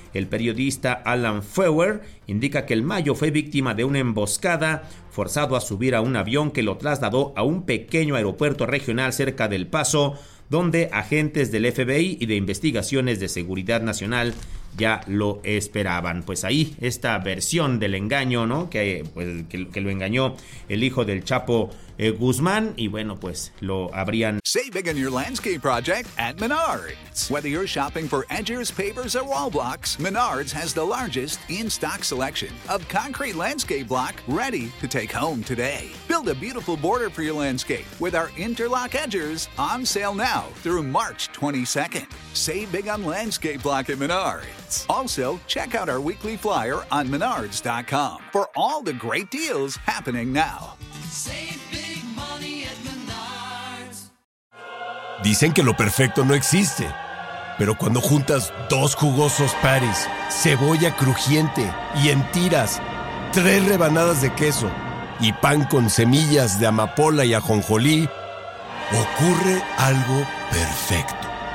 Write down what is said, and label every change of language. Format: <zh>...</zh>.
<es>El periodista Alan Feuer indica que El Mayo fue víctima de una emboscada, forzado a subir a un avión que lo trasladó a un pequeño aeropuerto regional cerca del Paso, donde agentes del FBI y de investigaciones de seguridad nacional ya lo esperaban. Pues ahí esta versión del engaño, ¿no? Que lo engañó el hijo del Chapo Guzmán, y bueno, pues lo habrían.</es> <en>Save big on your landscape project at Menards. Whether you're shopping for edgers, pavers, or wall blocks, Menards has the largest in-stock selection of concrete landscape block ready to take home today. Build a beautiful border for your landscape with our interlock edgers on sale now through March 22nd. Save big on landscape block at Menards. Also, check out our weekly flyer on Menards.com for all the great deals happening now.</en> <es>Dicen que lo perfecto no existe, pero cuando juntas dos jugosos patties, cebolla crujiente y en tiras, tres rebanadas de queso y pan con semillas de amapola y ajonjolí, ocurre algo perfecto.</es>